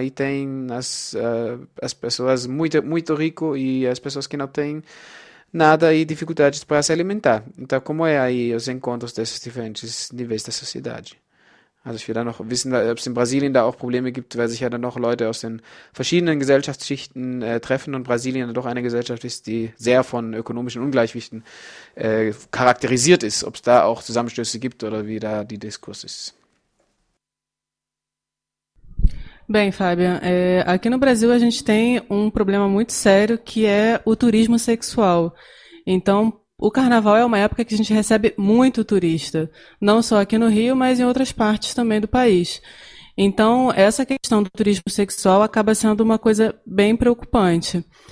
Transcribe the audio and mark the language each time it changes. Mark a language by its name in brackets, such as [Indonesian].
[Portuguese] Aí tem as pessoas muito, muito ricas e as pessoas que não têm nada e dificuldades para se alimentar. Então, como é aí os encontros desses diferentes níveis da sociedade? [German] Also, ich will da noch wissen, ob es in Brasilien da auch Probleme gibt, weil sich ja dann noch Leute aus den verschiedenen Gesellschaftsschichten treffen und Brasilien doch eine Gesellschaft ist, die sehr von ökonomischen Ungleichgewichten charakterisiert ist, ob es da auch Zusammenstöße gibt oder wie da die Diskurs ist. [Portuguese] Bem, Fabian, aqui no Brasil a gente tem um problema muito sério que é o turismo sexual. Então, o carnaval é uma época que a gente recebe muito turista, não só aqui no Rio, mas em outras partes também do país. Então, essa questão do turismo sexual acaba sendo uma coisa bem preocupante.